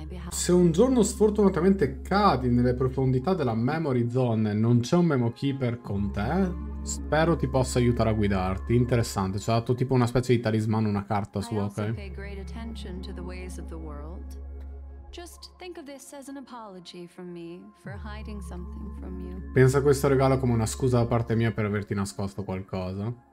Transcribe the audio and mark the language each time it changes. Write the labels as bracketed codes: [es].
[it] Se un giorno sfortunatamente cadi nelle profondità della Memory Zone e non c'è un Memo Keeper con te, spero ti possa aiutare a guidarti. Interessante, ci ha dato tipo una specie di talismano, una carta sua, ok? [en] Pay great attention to the ways of the world. Just think of this as an apology from me for hiding something from you. [it] Pensa a questo regalo come una scusa da parte mia per averti nascosto qualcosa.